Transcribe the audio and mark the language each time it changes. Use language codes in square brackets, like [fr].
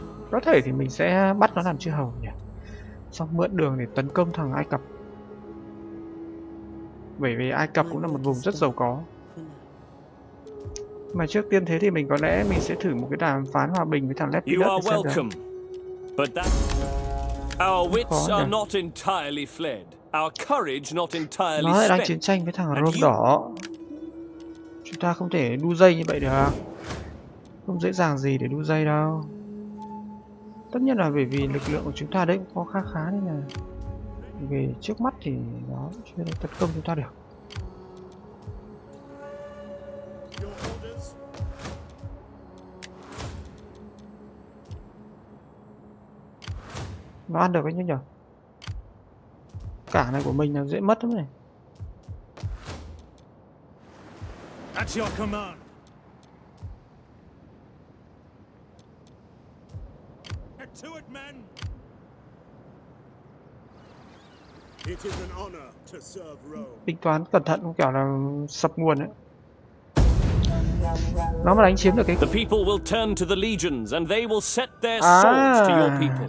[vi] Có thể thì mình sẽ bắt nó làm chư hầu nhỉ. Xong mượn đường để tấn công thằng Ai Cập. Bởi vì Ai Cập cũng là một vùng rất giàu có. Mà trước tiên thế thì mình có lẽ mình sẽ thử một cái đàm phán hòa bình với thằng Lepidus để xem được. [en] Our wits are not entirely fled. Our courage not entirely spent. [vi] Nó lại đang chiến tranh với thằng Rôm đỏ. Chúng ta không thể đu dây như vậy được. Không dễ dàng gì để đu dây đâu. Tất nhiên là bởi vì lực lượng của chúng ta đấy cũng có khá khá đấy nè. Về trước mắt thì nó chưa được tấn công chúng ta được. Nó ăn được cái như nhở. Cảng này của mình là dễ mất lắm này. [en] That's your command. Get to it, men. It is an honor to serve Rome. [vi] Tính toán cẩn thận không kiểu là sập nguồn ấy. Nó mà đánh chiếm được cái. [en] The people will turn to the legions and they will set their swords to your people.